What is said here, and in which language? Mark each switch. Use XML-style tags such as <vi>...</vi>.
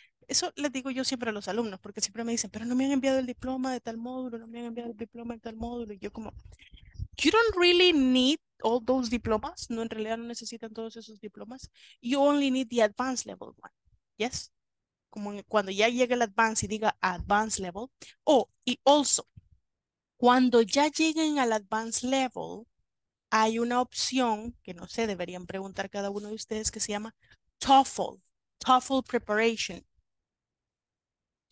<es>Eso les digo yo siempre a los alumnos, porque siempre me dicen, pero no me han enviado el diploma de tal módulo, no me han enviado el diploma de tal módulo. Y yo como,</es> <en>you don't really need all those diplomas.</en> <es>No, en realidad no necesitan todos esos diplomas.</es> <en>You only need the advanced level one. Yes?</en> <es>Como cuando ya llegue el advanced y diga advanced level. Oh, y also, cuando ya lleguen al advanced level, hay una opción, que no sé, deberían preguntar cada uno de ustedes, que se llama TOEFL, TOEFL Preparation. ¿Ya?</es>